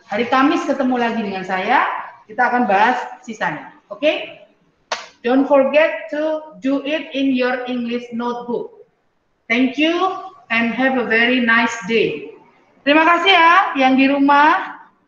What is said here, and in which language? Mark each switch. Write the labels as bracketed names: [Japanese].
[Indonesian] Hari Kamis ketemu lagi dengan saya. Kita akan bahas sisanya. Oke? Okay? [English] Don't forget to do it in your English notebook. Thank you and have a very nice day. [Indonesian] Terima kasih ya yang di rumah.